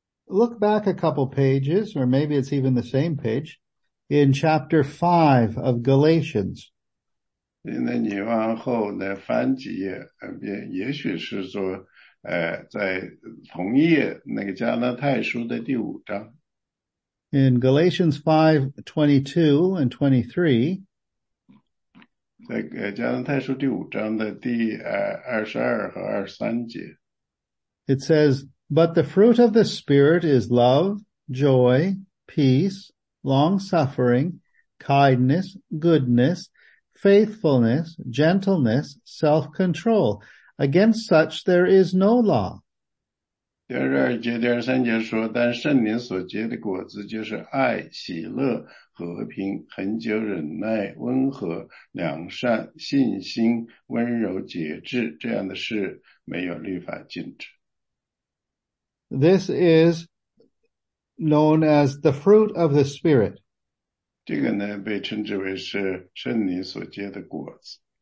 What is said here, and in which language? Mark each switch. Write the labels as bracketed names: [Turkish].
[English] Look back a couple pages, or maybe it's even the same page, in chapter 5 of Galatians. [Chinese] 那你往后呢翻几页，也许是说，在同页那个加拉太书的第五章。 [English] In Galatians 5:22 and 23, [Chinese] 在加拉太书第五章的第22和23节。 [English] it says, but the fruit of the Spirit is love, joy, peace, long-suffering, kindness, goodness, faithfulness, gentleness, self-control. Against such there is no law. [Chinese] 第二节第二三节说，但圣灵所结的果子就是爱、喜乐、和平、恒久忍耐、温和、良善、信心、温柔、节制，这样的事没有律法禁止。 [English] This is known as the fruit of the Spirit. [Chinese] 这个呢，被称之为是圣灵所结的果子。